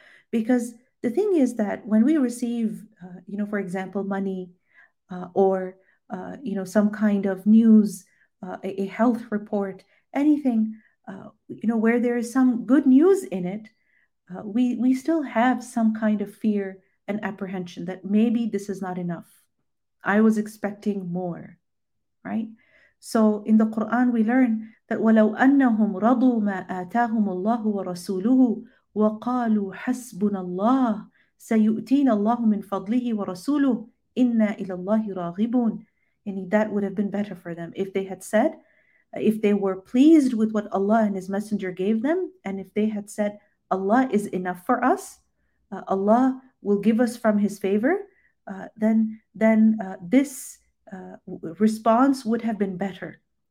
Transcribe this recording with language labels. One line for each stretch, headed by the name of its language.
English: Because the thing is that when we receive, for example, money or some kind of news, a health report, anything, where there is some good news in it, we still have some kind of fear and apprehension that maybe this is not enough. I was expecting more, right? So in the Quran, we learn that
Arabic: وَلَوْ أَنَّهُمْ رَضُوا مَا آتَاهُمُ اللَّهُ وَرَسُولُهُ وَقَالُوا حَسْبُنَ اللَّهُ سيؤتينا الله من فضله ورسوله إنا إلى الله راغبون.
English: يعني that would have been better for them if they had said, if they were pleased with what Allah and His Messenger gave them, and if they had said, Allah is enough for us, Allah will give us from His favor, then this response would have been better.